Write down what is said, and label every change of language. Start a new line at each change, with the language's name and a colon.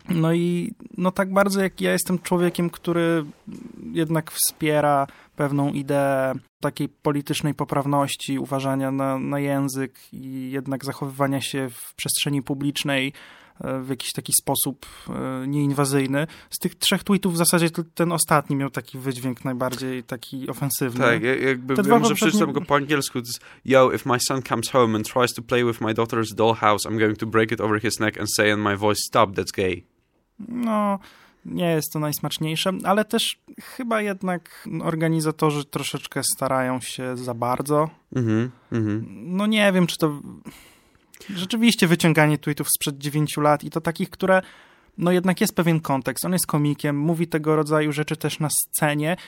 Polish: No i no tak bardzo jak ja jestem człowiekiem, który jednak wspiera pewną ideę takiej politycznej poprawności, uważania na język i jednak zachowywania się w przestrzeni publicznej w jakiś taki sposób nieinwazyjny. Z tych trzech tweetów w zasadzie ten ostatni miał taki wydźwięk najbardziej taki ofensywny. Tak, jakby wiem, że przeczytam go po angielsku.
English: Yo, if my son comes home and tries to play with my daughter's dollhouse, I'm going to break it over his neck and say in my voice, stop, that's gay.
Polish: No, nie jest to najsmaczniejsze, ale też chyba jednak organizatorzy troszeczkę starają się za bardzo. Mm-hmm, mm-hmm. No nie wiem, czy to... Rzeczywiście wyciąganie tweetów sprzed 9 lat i to takich, które, no jednak jest pewien kontekst, on jest komikiem, mówi tego rodzaju rzeczy też na scenie.